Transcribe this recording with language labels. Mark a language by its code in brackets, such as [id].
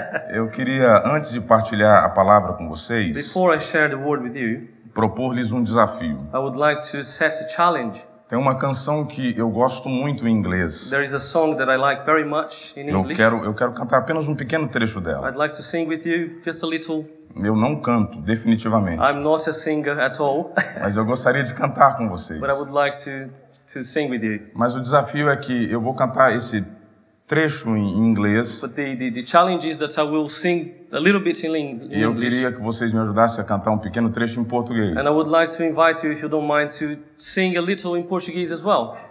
[pt] Eu queria, antes de partilhar a palavra com vocês, [en] before I share the word with you, [pt] propor-lhes um desafio. [en] I would like to set a challenge. [pt] Tem uma canção que eu gosto muito em inglês. [en] There is a song that I like very much in English. [pt] Eu quero cantar apenas um pequeno trecho dela. [en] I'd like to sing with you just a little. [pt] Eu não canto, definitivamente. [en] I'm not a singer at all. [pt] Mas eu gostaria de cantar com vocês. [en] But I would like to sing with you. [pt] Mas o desafio é que eu vou cantar esse trecho em inglês. [en] But the challenge is that I will sing a little bit in English. [pt] E eu queria que vocês me ajudassem a cantar um pequeno trecho em português. [en] And I would like to invite you, if you don't mind, to sing a little in Portuguese as well.